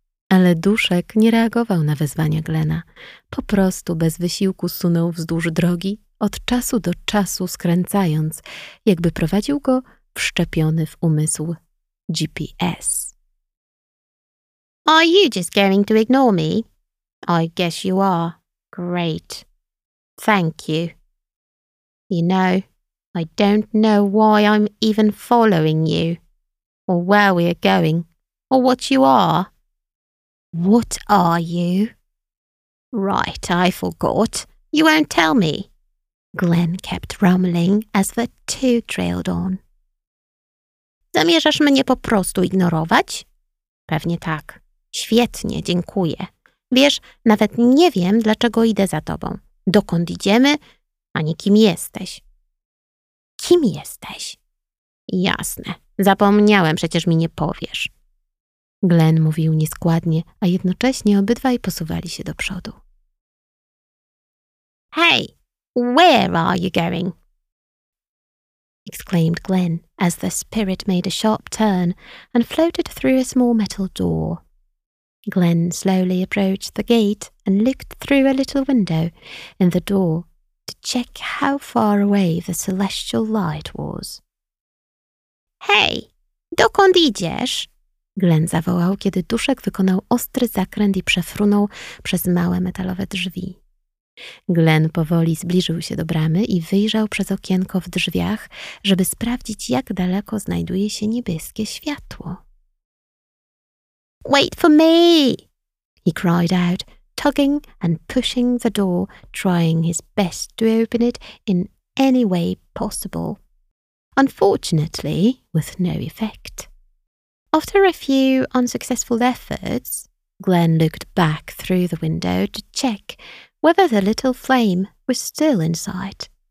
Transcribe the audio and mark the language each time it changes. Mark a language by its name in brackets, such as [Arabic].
[Polish] Ale duszek nie reagował na wezwania Glena. Po prostu bez wysiłku sunął wzdłuż drogi, od czasu do czasu skręcając, jakby prowadził go wszczepiony w umysł GPS. [English] Are you just going to ignore me? I guess you are. Great. Thank you. You know, I don't know why I'm even following you, or where we are going, or what you are. What are you? Right, I forgot. You won't tell me. Glenn kept rumbling as the two trailed on. [Polish] Zamierzasz mnie po prostu ignorować? Pewnie tak. Świetnie, dziękuję. Wiesz, nawet nie wiem, dlaczego idę za tobą. Dokąd idziemy, ani kim jesteś. Kim jesteś? Jasne. Zapomniałem, przecież mi nie powiesz. Glenn mówił nieskładnie, a jednocześnie obydwaj posuwali się do przodu. [English] Hey, where are you going? Exclaimed Glenn as the spirit made a sharp turn and floated through a small metal door. Glenn slowly approached the gate and looked through a little window in the door to check how far away the celestial light was. [Polish] Hey, dokąd idziesz? Glenn zawołał, kiedy duszek wykonał ostry zakręt i przefrunął przez małe metalowe drzwi. Glenn powoli zbliżył się do bramy i wyjrzał przez okienko w drzwiach, żeby sprawdzić, jak daleko znajduje się niebieskie światło. [English] Wait for me! He cried out, tugging and pushing the door, trying his best to open it in any way possible. Unfortunately, with no effect. After a few unsuccessful efforts, Glenn looked back through the window to check whether the little flame was still in sight.